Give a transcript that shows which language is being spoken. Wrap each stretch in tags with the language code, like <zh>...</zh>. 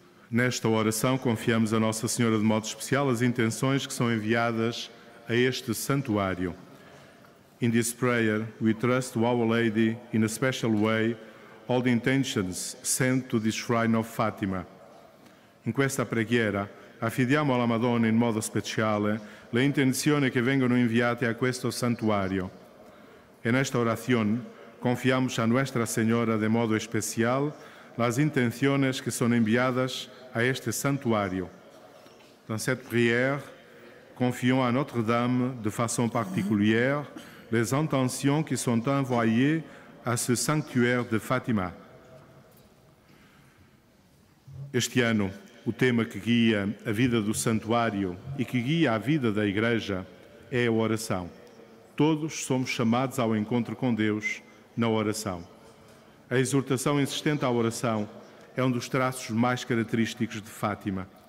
<pt>Nesta oração confiamos a Nossa Senhora de modo especial as intenções que são enviadas a este santuário.</pt> <en>In this prayer, we trust to Our Lady in a special way all the intentions sent to this shrine of Fatima.</en> <it>In questa preghiera affidiamo alla Madonna in modo speciale le intenzioni che vengono inviate a questo santuario.</it> <es>En esta oración confiamos a Nuestra Señora de modo especial las intenciones que son enviadas à este santuário.</es> <fr>Dans cette prière, confions à Notre-Dame de façon particulière les intentions qui sont envoyées à ce sanctuaire de Fátima.</fr> <pt>Este ano, o tema que guia a vida do santuário e que guia a vida da Igreja é a oração. Todos somos chamados ao encontro com Deus na oração. A exortação insistente à oração é dos traços mais característicos de Fátima.</pt>